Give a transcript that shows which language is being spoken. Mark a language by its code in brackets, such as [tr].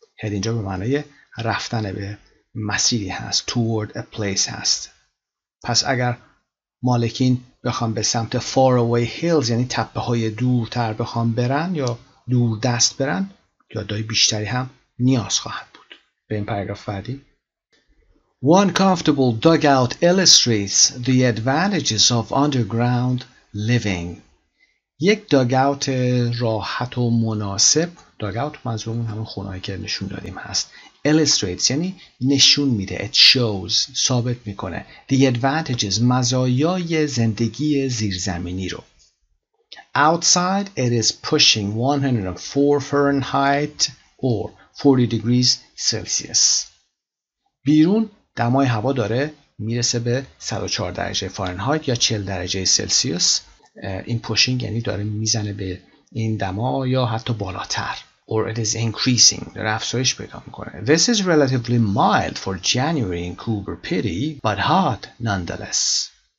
[fa] Head اینجا به معنای رفتن به مسیری هست. [en] Toward a place هست. [fa] پس اگر مالکین بخوام به سمت far away hills یعنی تپه های دورتر بخوام برن یا دور دست برن، یادهای بیشتری هم نیاز خواهد بود. به این پاراگراف بعدی. [en] One comfortable dugout illustrates the advantages of underground living. [fa] یک dugout راحت و مناسب، dugout منظورمون همون خونه‌ای که نشون دادیم هست. Illustrates یعنی نشون میده. It shows، ثابت میکنه. The advantages، مزایای زندگی زیرزمینی رو. [en] Outside it is pushing 104 Fahrenheit or 40 degrees Celsius. [fa] بیرون دمای هوا داره میرسه به 104 درجه فارنهایت یا 40 درجه سلسیوس. این پوشینگ یعنی داره میزنه به این دما یا حتی بالاتر. [en] Or it is increasing. داره افزایش پیدا میکنه. This is relatively mild for January in Cooper Pedy, but hot nonetheless.